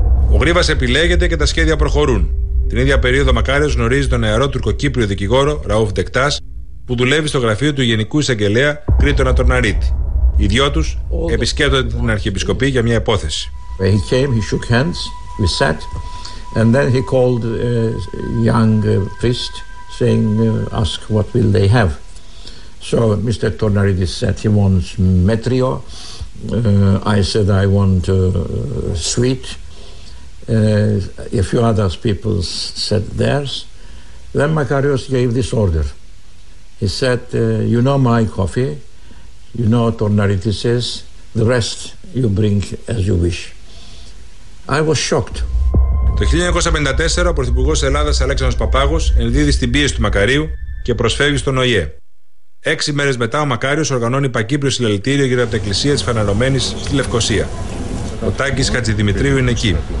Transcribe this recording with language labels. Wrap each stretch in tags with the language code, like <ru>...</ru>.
<el>Ο Γρίβας επιλέγεται και τα σχέδια προχωρούν. Την ίδια περίοδο, ο Μακάριος γνωρίζει τον νεαρό τουρκοκύπριο δικηγόρο Ραούφ Ντεκτάς, που δουλεύει στο γραφείο του Γενικού Εισαγγελέα Κρήτονα Τωρναρίτη. Οι δυο τους επισκέπτονται την Αρχιεπισκοπή για μια υπόθεση.</el> <en>He came, he shook hands, we sat. And then he called a young priest, saying, ask what will they have. So Mr. Tornaridis said he wants metrio. I said I want sweet. A few other people said theirs. Then Makarios gave this order. He said, you know my coffee, you know Tornaridis's, the rest you bring as you wish. I was shocked.</en> <el>Το 1954 ο Πρωθυπουργός της Ελλάδας Αλέξανδρος Παπάγος ενδίδει στην πίεση του Μακαρίου και προσφεύγει στον ΟΗΕ. Έξι μέρες μετά ο Μακάριος οργανώνει πακύπριο συλλαλητήριο γύρω από την εκκλησία της Φαναρωμένης στη Λευκοσία. Ο Τάκης Χατζηδημητρίου είναι εκεί.</el>